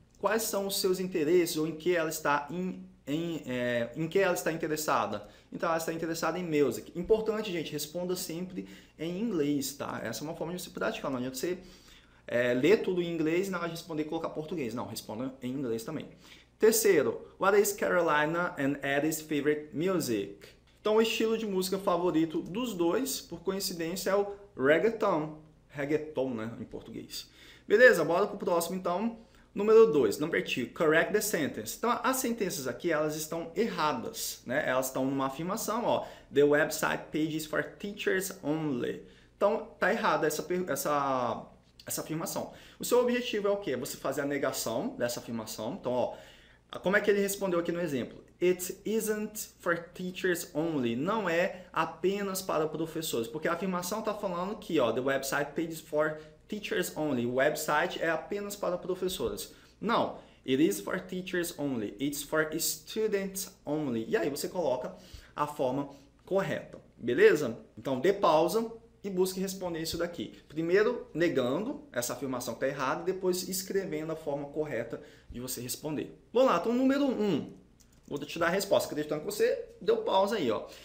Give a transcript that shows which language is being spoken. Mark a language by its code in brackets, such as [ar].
[pt] Quais são os seus interesses ou em que ela está em que ela está interessada? Então, ela está interessada em music. Importante, gente, responda sempre em inglês, tá? Essa é uma forma de você praticar. Não adianta você ler tudo em inglês e na hora de responder colocar português. Não, responda em inglês também. [en] Terceiro, what is Carolina and Eddie's favorite music? [pt] Então, o estilo de música favorito dos dois, por coincidência, é o reggaeton. Reggaeton, né, em português. Beleza, bora pro próximo, então. Número 2, [en] number 2, correct the sentence. [pt] Então, as sentenças aqui, elas estão erradas, né? Elas estão numa afirmação, ó. [en] The website pages for teachers only. [pt] Então, tá errada essa afirmação. O seu objetivo é o quê? Você fazer a negação dessa afirmação. Então, ó, como é que ele respondeu aqui no exemplo? [en] It isn't for teachers only. [pt] Não é apenas para professores. Porque a afirmação tá falando que, ó, [en] the website pages for teachers only, [pt] website é apenas para professoras. [en] Não, it is for teachers only, it's for students only. [pt] E aí você coloca a forma correta, beleza? Então dê pausa e busque responder isso daqui. Primeiro negando essa afirmação que está errada e depois escrevendo a forma correta de você responder. Vamos lá, então número 1. Vou te dar a resposta, acreditando que você deu pausa aí, ó.